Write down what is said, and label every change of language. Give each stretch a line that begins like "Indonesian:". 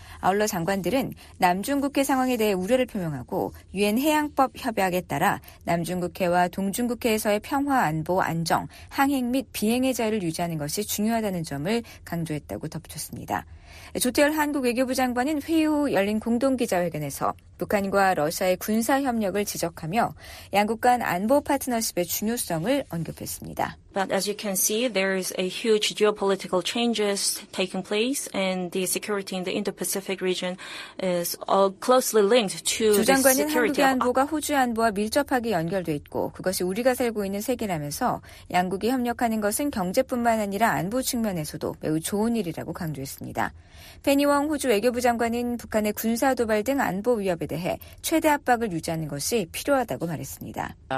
Korean: 아울러 장관들은 남중국해 상황에 대해 우려를 표명하고 유엔 해양법 협약에 따라 남중국해와 동중국해에서의 평화, 안보, 안정, 항행 및 비행의 자유를 유지하는 것이 중요하다는 점을 강조했다고 덧붙였습니다. 조태열 한국 외교부 장관은 회의 후 열린 공동기자회견에서 북한과 러시아의 군사협력을 지적하며 양국 간 안보 파트너십의 중요성을 언급했습니다.
English: But as you can see, there is a huge geopolitical changes taking place, and the security in the Indo-Pacific region is all closely linked to the security of...
Korean: 주 장관은 한국의 안보가 호주의 안보와 밀접하게 연결돼 있고 그것이 우리가 살고 있는 세계라면서 양국이 협력하는 것은 경제뿐만 아니라 안보 측면에서도 매우 좋은 일이라고 강조했습니다. 페니 웡 호주 외교부 장관은 북한의 군사 도발 등 안보 위협에 대해 최대 압박을 유지하는 것이 필요하다고 말했습니다.